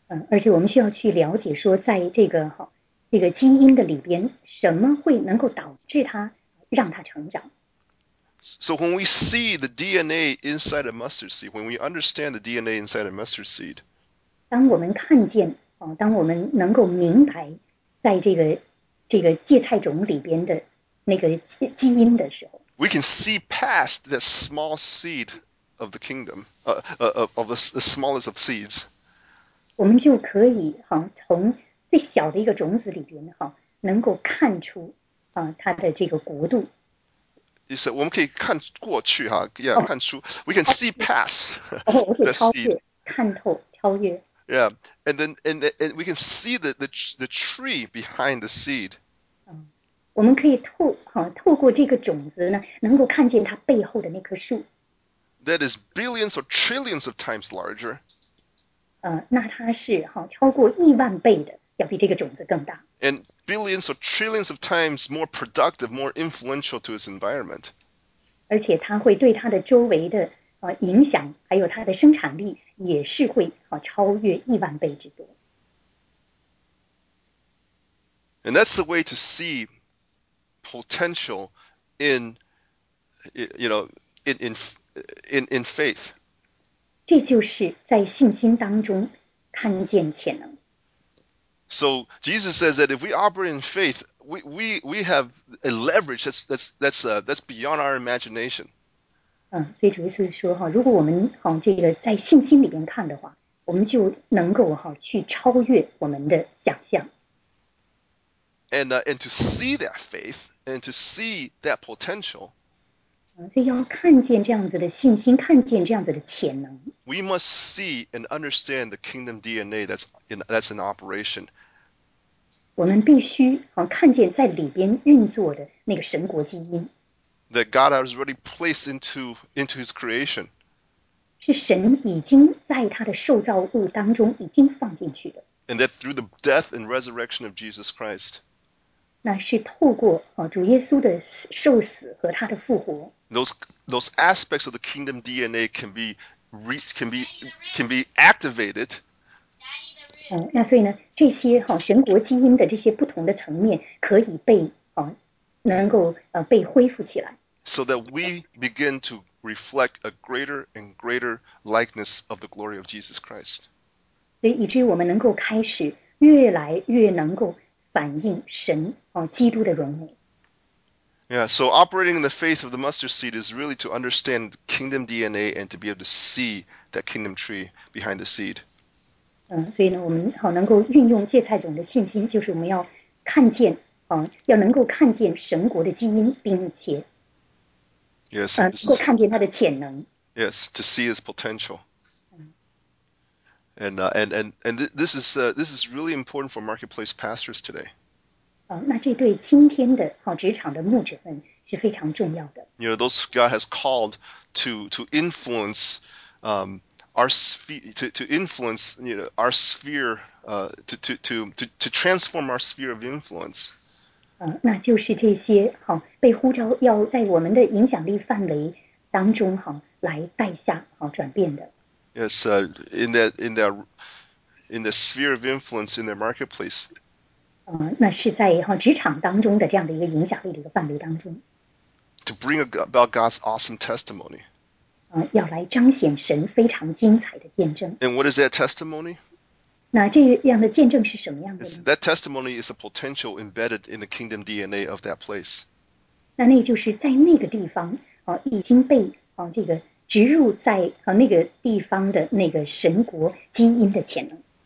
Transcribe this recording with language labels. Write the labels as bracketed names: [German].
[Chinese] 而且我们需要去了解说在这个基因的里边什么会能够导致它让它成长 [English] so when we see the DNA inside a mustard seed when we understand the DNA inside a mustard seed [Chinese] 当我们看见当我们能够明白在这个芥菜种里边的那个基因的时候 [English] ，We can see past the small seed of the kingdom, of the smallest of seeds. [Chinese] 我们就可以从最小的一个种子里边能够看出它的这个国度。 [English] You said [Chinese] 我们可以看过去哈 [English] ，Yeah,、oh, [Chinese] 看出 [English] ，We can see past the seed. [Chinese] 看透，超越。 [English] Yeah, and then we can see the tree behind the seed. [Chinese] 我们可以透过这个种子呢，能够看见它背后的那棵树。 [English] That is billions or trillions of times larger. [Chinese] 那它是超过亿万倍的，要比这个种子更大。 [English] And billions or trillions of times more productive, more influential to its environment. [Chinese] 而且它会对它的周围的影响还有它的生产力也是会超越亿万倍之多。 [English] And that's the way to see potential in, you know, in faith. [Chinese] 这就是在信心当中看见潜能。 [English] So Jesus says that if we operate in faith, we have a leverage that's beyond our imagination. [Chinese] 所以主要是说如果我们这个在信心里面看的话我们就能够去超越我们的想象。 [English] And to see that faith, and to see that potential, [Chinese] 所以要看见这样子的信心，看见这样子的潜能。 [English] We must see and understand the kingdom DNA that's in operation. [Chinese] 我们必须看见在里边运作的那个神国基因。 [English] That God has already placed into His creation. [Chinese] 是神已经在他的受造物当中已经放进去的。 [English] And that through the death and resurrection of Jesus Christ. [Chinese] 那是透过主耶稣的受死和他的复活。 [English] Those aspects of the kingdom DNA can be activated. [Chinese] 那所以呢，这些神国基因的这些不同的层面可以被能够被恢复起来。 [English] So that we begin to reflect a greater and greater likeness of the glory of Jesus Christ. [Chinese] 所以以至于我们能够开始越来越能够反映神基督的荣美。 [English] Yeah, so operating in the faith of the mustard seed is really to understand kingdom DNA and to be able to see that kingdom tree behind the seed. [Chinese] 所以呢，我们能够运用芥菜种的信心，就是我们要看见要能够看见神国的基因，并且 [English] ，yes, [Chinese] 能够看见它的潜能。 [English] Yes, to see its potential. And this is really important for marketplace pastors today. [Chinese] 那这对今天的职场的牧者们是非常重要的。 [English] You know, those God has called to influence our sphere, to influence you know our sphere to transform our sphere of influence. [Chinese] 那就是这些被呼召要在我们的影响力范围当中来带下转变的。 [English] Yes, in the sphere of influence in the marketplace. [Chinese] 那是在职场当中的这样的一个影响力的一个范围当中。 [English] To bring about God's awesome testimony. [Chinese] 要来彰显神非常精彩的见证。 [English] And what is that testimony? [Chinese] 那这样的见证是什么样的呢？ [English] That testimony is a potential embedded in the kingdom DNA of that place. [Chinese] 那就是在那个地方已经被这个植入在那个地方的那个神国基因的潜能。